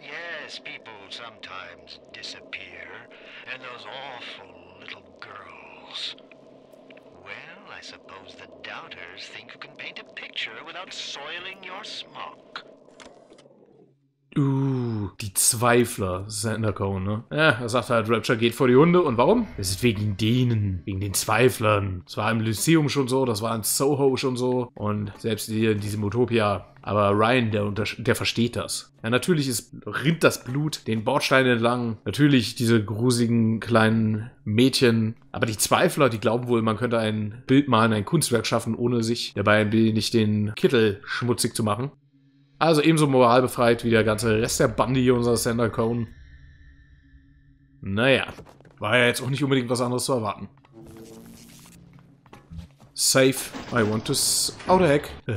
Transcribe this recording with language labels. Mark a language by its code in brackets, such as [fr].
[en] Yes, people sometimes disappear. And those awful little girls. Well, I suppose the Doubters think you can paint a picture without soiling your smock. [de] Ooh. Die Zweifler, Xander Cohen, ne? Ja, er sagt halt, Rapture geht vor die Hunde. Und warum? Es ist wegen denen, wegen den Zweiflern. Das war im Lyceum schon so, das war in Soho schon so. Und selbst hier in diesem Utopia. Aber Ryan, der versteht das. Ja, natürlich rinnt das Blut den Bordstein entlang. Natürlich diese grusigen kleinen Mädchen. Aber die Zweifler, die glauben wohl, man könnte ein Bild malen, ein Kunstwerk schaffen, ohne sich dabei ein bisschen nicht den Kittel schmutzig zu machen. Also ebenso moralbefreit wie der ganze Rest der Bande hier, unser Xander Cohen. Naja, war ja jetzt auch nicht unbedingt was anderes zu erwarten. [en] Safe, I want to outer hack.